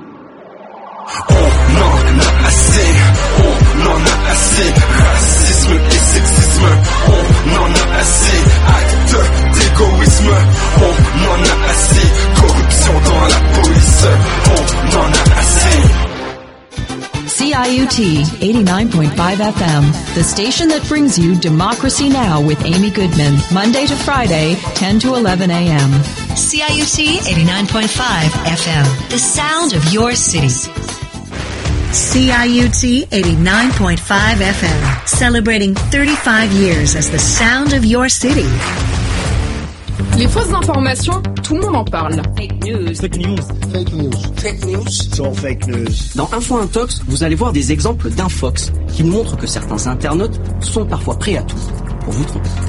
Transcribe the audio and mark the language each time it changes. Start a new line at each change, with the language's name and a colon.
French: On en a assez, on en a assez. Racisme et sexisme, on en a assez. Acte d'égoïsme, on en a assez. Corruption dans la police, on en a assez.
English: CIUT KPIT 89.5 FM, the station that brings you Democracy Now! With Amy Goodman, Monday to Friday, 10 to 11 a.m. CIUT 89.5 FM, the sound of your city. CIUT 89.5 FM, celebrating 35 years as the sound of your city.
French: Les fausses informations, tout le monde en parle.
English: Fake news.
French: Dans Info Intox, vous allez voir des exemples d'infox qui nous montrent que certains internautes sont parfois prêts à tout pour vous tromper.